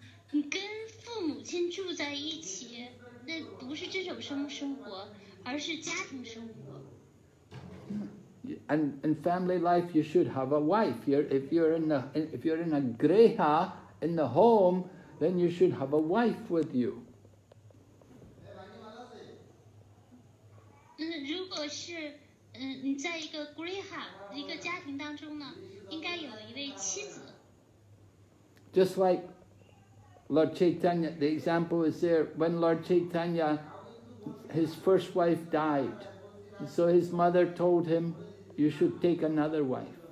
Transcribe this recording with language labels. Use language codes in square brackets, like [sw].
[zh] 跟父母亲住在一起，那不是这种生活，而是家庭生活。 [en] And family life, you should have a wife. If you're in a griha in the home, then you should have a wife with you. [zh] 如果是你在一个 griha 一个家庭当中呢，应该有一位妻子。 [en] Just like Lord Chaitanya, the example is there, when Lord Chaitanya, his first wife died, so his mother told him, you should take another wife.